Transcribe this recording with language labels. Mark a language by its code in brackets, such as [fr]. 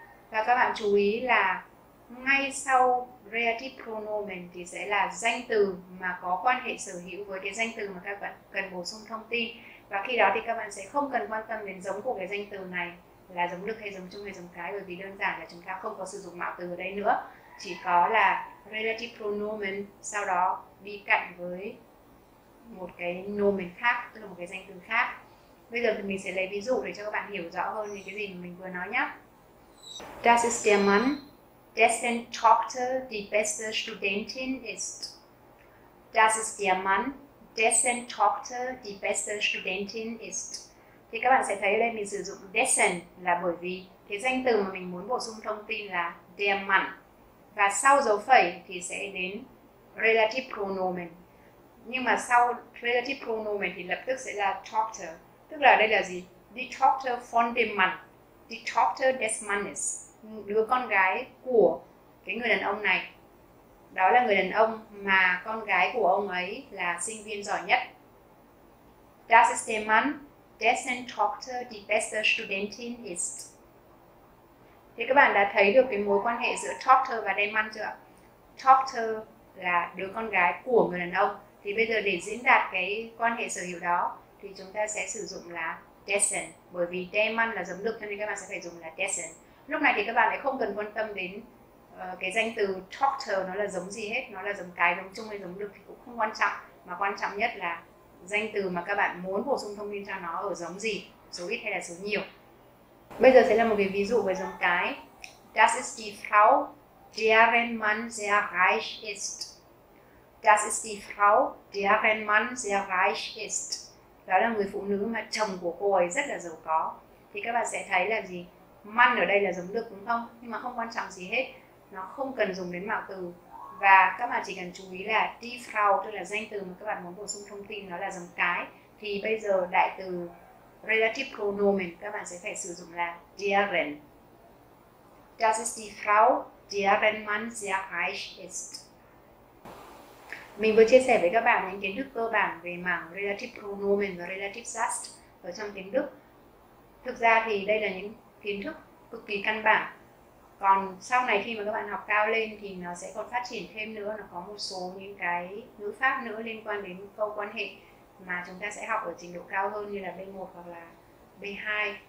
[vi] Và các bạn chú ý là ngay sau relative pronoun này thì sẽ là danh từ mà có quan hệ sở hữu với cái danh từ mà các bạn cần bổ sung thông tin, và khi đó thì các bạn sẽ không cần quan tâm đến giống của cái danh từ này là giống đực hay giống chung hay giống cái, bởi vì đơn giản là chúng ta không có sử dụng mạo từ ở đây nữa, chỉ có là relative pronomen sau đó đi cạnh với một cái nomen khác, tức là một cái danh từ khác. Bây giờ thì mình sẽ lấy ví dụ để cho các bạn hiểu rõ hơn về cái gì mình vừa nói nhé. [de] Das ist der Mann, dessen Tochter die beste Studentin ist. Das ist der Mann, dessen Tochter die beste Studentin ist. [vi] Thì các bạn sẽ thấy đây mình sử dụng dessen là bởi vì cái danh từ mà mình muốn bổ sung thông tin là der Mann. Và sau dấu phẩy thì sẽ đến relative pronomen. Nhưng mà sau relative pronomen thì lập tức sẽ là Tochter. Tức là đây là gì? [de] Die Tochter von dem Mann. Die Tochter des Mannes. [vi] Đứa con gái của cái người đàn ông này. Đó là người đàn ông mà con gái của ông ấy là sinh viên giỏi nhất. [de] Das ist der Mann, dessen Tochter die beste Studentin ist. [vi] Thì các bạn đã thấy được cái mối quan hệ giữa Tochter và Demann chưa? Tochter là đứa con gái của người đàn ông. Thì bây giờ để diễn đạt cái quan hệ sở hữu đó thì chúng ta sẽ sử dụng là dessen. Bởi vì Demann là giống đực cho nên các bạn sẽ phải dùng là dessen. Lúc này thì các bạn lại không cần quan tâm đến cái danh từ Tochter nó là giống gì hết. Nó là giống cái, giống chung hay giống đực thì cũng không quan trọng. Mà quan trọng nhất là danh từ mà các bạn muốn bổ sung thông tin cho nó ở giống gì, số ít hay là số nhiều. Bây giờ sẽ là một cái ví dụ về giống cái. [de] Das ist die Frau, deren Mann sehr reich ist. Das ist die Frau, deren Mann sehr reich ist. [vi] Đó là người phụ nữ mà chồng của cô ấy rất là giàu có. Thì các bạn sẽ thấy là gì? Mann ở đây là giống đực đúng không? Nhưng mà không quan trọng gì hết. Nó không cần dùng đến mạo từ. Và các bạn chỉ cần chú ý là die Frau, tức là danh từ mà các bạn muốn bổ sung thông tin nó là giống cái. Thì bây giờ đại từ relative pronomen các bạn sẽ phải sử dụng là deren. [de] Das ist die Frau, deren Mann sehr reich ist. [vi] Mình vừa chia sẻ với các bạn những kiến thức cơ bản về mảng relative pronomen và relative subject ở trong tiếng Đức. Thực ra thì đây là những kiến thức cực kỳ căn bản. Còn sau này khi mà các bạn học cao lên thì nó sẽ còn phát triển thêm nữa, nó có một số những cái ngữ pháp nữa liên quan đến câu quan hệ mà chúng ta sẽ học ở trình độ cao hơn như là B1 hoặc là B2.